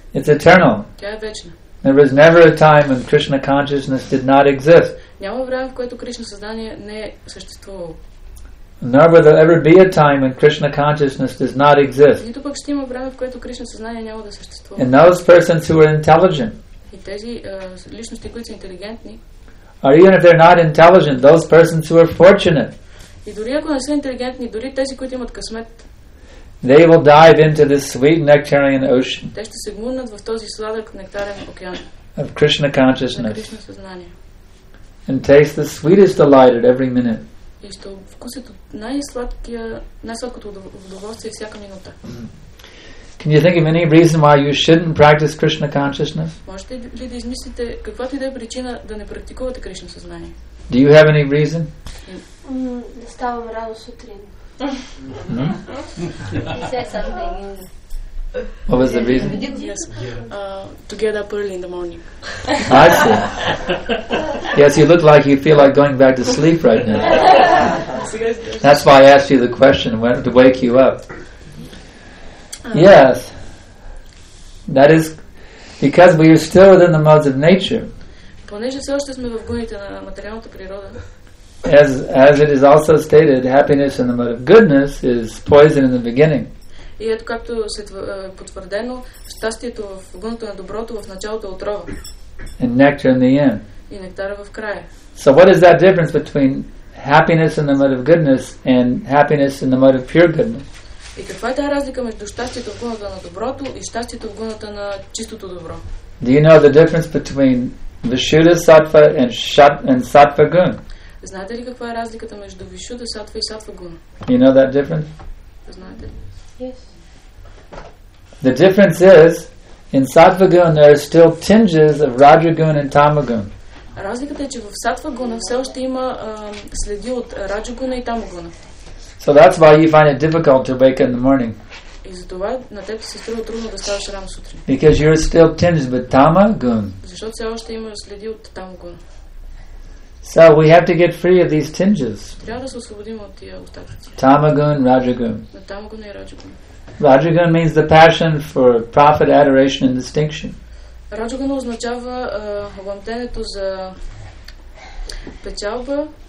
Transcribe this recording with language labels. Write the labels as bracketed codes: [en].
[en] It's eternal. [bg] Тя е вечна. [en] There was never a time when Krishna consciousness did not exist. [bg] Няма време, в което Кришна съзнание не е съществувало. [en] Nor will there ever be a time when Krishna consciousness does not exist. [bg] Нито пък ще има време, в което Кришна съзнание няма да съществува. [en] And those persons who are intelligent. [bg] И тези личности, които са интелигентни. [en] Or even if they're not intelligent, those persons who are fortunate. [bg] И дори ако не са интелигентни, дори тези, които имат късмет. [en] They will dive into this sweet nectarian ocean. [bg] Те ще се гмурнат в този сладък нектарен океан. [en] Of Krishna consciousness. [bg] На Кришна съзнание. [en] And taste the sweetest delight at every minute. [bg] И ще вкусят най-сладкото удоволствие всяка минута. [en] Can you think of any reason why you shouldn't practice Krishna consciousness? [bg] Можете ли да измислите каквато и да е причина да не практикувате Кришна съзнание? [en] Do you have any reason? [bg] Да ставам рано сутрин. [en] What was the reason? Yes. To get up early in the morning. I see. Yes, you look like you feel like going back to sleep right now. That's why I asked you the question to wake you up. Yes. That is because we are still within the modes of nature. [bg] Понеже все още сме в гоните на материалната природа. [en] As it is also stated, happiness in the mode of goodness is poison in the beginning. [bg] И ето както е потвърдено, щастието в гуната на доброто в началото е отрова. [en] And nectar in the end. [bg] И нектара в края. [en] So what is that difference between happiness in the mode of goodness and happiness in the mode of pure goodness? [bg] И каква е тази разлика между щастието в гуната на доброто и щастието в гуната на чистото добро? [en] Do you know the difference between Vishuddha Sattva and Sattva Gun? [bg] Знаете ли каква е разликата между Вишуда Сатва и Сатва Гуна? [en] You know that difference? [bg] Знаете ли? [en] Yes. The difference is in Sattvagun there are still tinges of Rajagun and Tamagun. [bg] Разликата е, че в Сатвагуна все още има следи от Раджагуна и Тамагуна. [en] So that's why you find it difficult to wake in the morning. [bg] И затова на теб се струва трудно да ставаш рано сутрин. [en] Because you're still tinged with Tamagun. [bg] Защото все още има следи от Тамагуна. [en] So we have to get free of these tinges. [bg] Трябва да се освободим от тия остатъци. [en] Tamagun, Rajagun. [bg] Tamagun и Rajagun. [en] Rajagun means the passion for profit, adoration and distinction. [bg] Rajagun означава ламтенето за печалба,